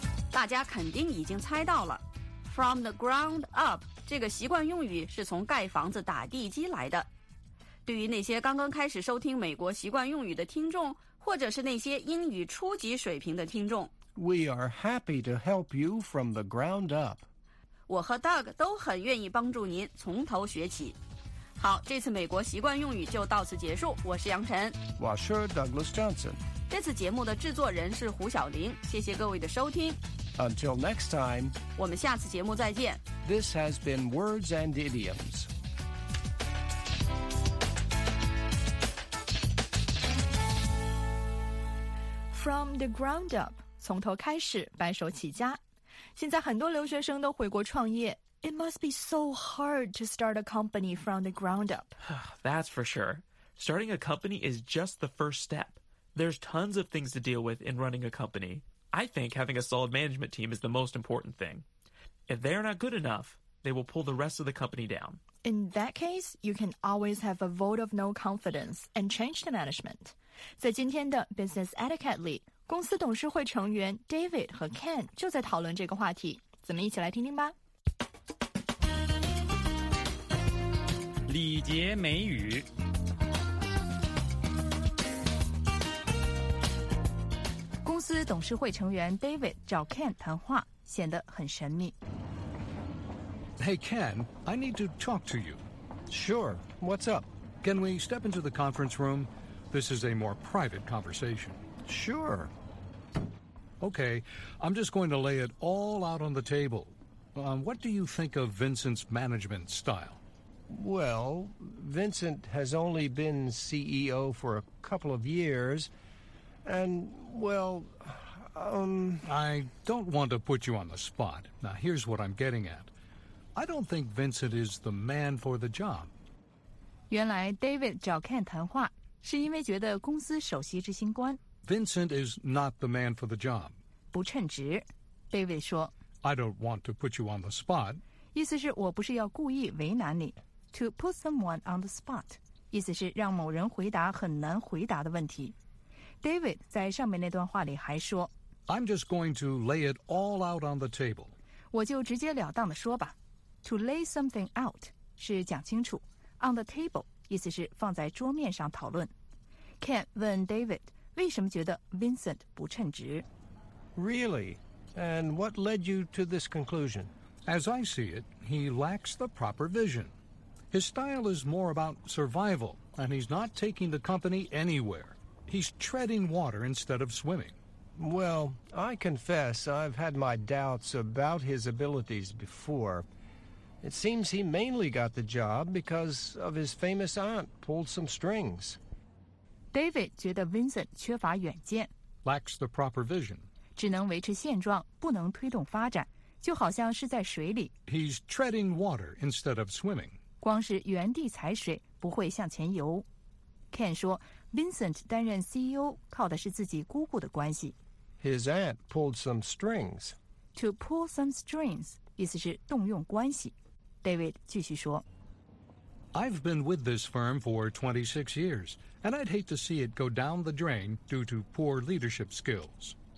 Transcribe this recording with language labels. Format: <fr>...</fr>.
<zh>大家肯定已经猜到了 ,</zh> <en>from the ground up</en> <zh>这个习惯用语是从盖房子打地基来的。对于那些刚刚开始收听美国习惯用语的听众，或者是那些英语初级水平的听众</zh> <en>，We are happy to help you from the ground up.</en> <zh>我和 Doug 都很愿意帮助您从头学起。好，这次美国习惯用语就到此结束。我是杨晨，我是 Douglas Johnson。这次节目的制作人是胡晓玲，谢谢各位的收听。</zh> <en>Until next time，</en> <zh>我们下次节目再见。</zh> <en>This has been Words and Idioms。 From the ground up,</en> <zh>从头开始，白手起家。现在很多留学生都回国创业。</zh> <en>It must be so hard to start a company from the ground up. That's for sure. Starting a company is just the first step. There's tons of things to deal with in running a company. I think having a solid management team is the most important thing. If they're not good enough, they will pull the rest of the company down. In that case, you can always have a vote of no confidence and change the management.</en> <zh>在今天的 Business Etiquette 里，公司董事会成员 David 和 Ken 就在讨论这个话题，咱们一起来听听吧。礼节美语。公司董事会成员 David 找 Ken 谈话，显得很神秘。</zh> <en>Hey Ken, I need to talk to you. Sure, what's up? Can we step into the conference room? This is a more private conversation. Sure. Okay, I'm just going to lay it all out on the table. What do you think of Vincent's management style? Well, Vincent has only been CEO for a couple of years, and, well, I don't want to put you on the spot. Now, here's what I'm getting at. I don't think Vincent is the man for the job.</en> <zh>原来 David 找 Ken 谈话。是因为觉得公司首席执行官</zh> <en>Vincent is not the man for the job.</en> <zh>不称职 David 说</zh> <en>I don't want to put you on the spot.</en> <zh>意思是我不是要故意为难你</zh> <en>To put someone on the spot.</en> <zh>意思是让某人回答很难回答的问题 David 在上面那段话里还说</zh> <en>I'm just going to lay it all out on the table.</en> <zh>我就直截了当地说吧</zh> <en>To lay something out</en> <zh>是讲清楚</zh> <en>On the table</en> <zh>意思是放在桌面上讨论。 Ken 问 David 为什么觉得 Vincent 不称职。</zh> <en>Really? And what led you to this conclusion? As I see it, he lacks the proper vision. His style is more about survival, and he's not taking the company anywhere. He's treading water instead of swimming. Well, I confess I've had my doubts about his abilities before. It seems he mainly got the job because of his famous aunt pulled some strings.</en> <zh>David 觉得 Vincent 缺乏远见</zh> <en>Lacks the proper vision.</en> <zh>只能维持现状，不能推动发展，就好像是在水里。</zh> <en>He's treading water instead of swimming.</en> <zh>光是原地踩水，不会向前游。Ken 说 ，Vincent 担任 CEO 靠的是自己姑姑的关系。</zh> <en>His aunt pulled some strings. To pull some strings.</en> <zh>意思是动用关系。David 继续说</zh> <en>I've been with this firm for 26 years, and I'd hate to see it go down the drain due to poor leadership skills.</en>